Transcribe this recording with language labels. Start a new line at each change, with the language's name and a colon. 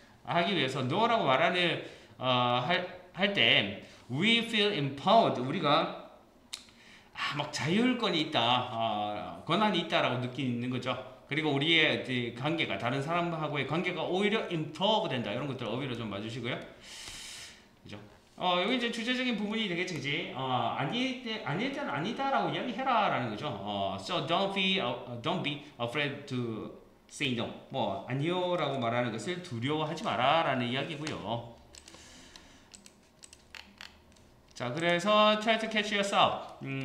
Korean: 하기 위해서 no라고 말하는 할 때
English: we feel empowered
Korean: 우리가 막 자율권이 있다 권한이 있다라고 느끼는 거죠. 그리고 우리의 관계가 다른 사람하고의 관계가 오히려 empowered 된다 이런 것들 어휘로 좀 봐주시고요, 그죠? 여기 이제 주제적인 부분이 되겠지, 그지? 아닐 때는 아니다 라고 이야기해라 라는 거죠.
English: So don't be afraid to say no.
Korean: 뭐, 아니요 라고 말하는 것을 두려워하지 마라 라는 이야기고요. 자, 그래서
English: try to catch yourself.